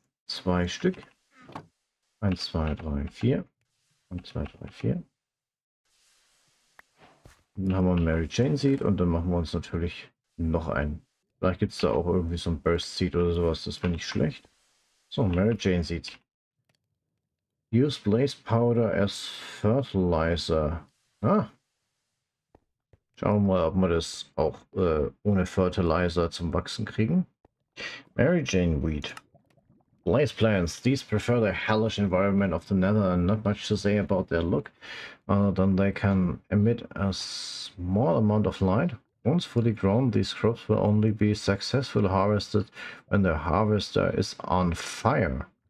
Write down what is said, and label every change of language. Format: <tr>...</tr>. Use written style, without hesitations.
<de>zwei Stück. 1, 2, 3, 4. Und 2, 3, 4. Dann haben wir einen Mary Jane Seed und dann machen wir uns natürlich noch einen. Vielleicht gibt es da auch irgendwie so ein Burst Seed oder sowas. Das finde ich schlecht. So, Mary Jane Seed.</de> <en>Use Blaze Powder as Fertilizer. Ah.</en> <de>Schauen wir mal, ob wir das auch ohne Fertilizer zum Wachsen kriegen.</de> <en>Mary Jane Weed. Blaze Plants. These prefer the hellish environment of the Nether and not much to say about their look. Other than they can emit a small amount of light. Once fully grown, these crops will only be successfully harvested when the harvester is on fire.</en>